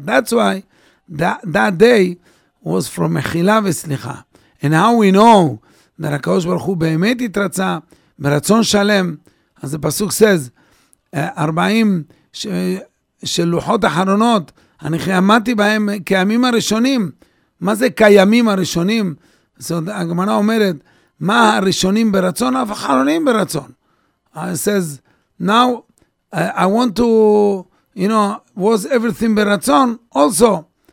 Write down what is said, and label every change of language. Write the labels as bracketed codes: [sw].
[en] That's why, that day, was from Mechila v'Slicha. And how we know that [he] HaKadosh Baruch Hu be'emet yitratza b'ratzon shalem, [en] as the Pasuk says, [he] 40 של לוחות אחרונות, אני חיימתי בהם כימים הראשונים. מה זה כימים הראשונים? זאת הגמרא אומרת, מה הראשונים ברצון? אף אחרונים ברצון. [en] It says, now I want to, you know, was everything ברצון also.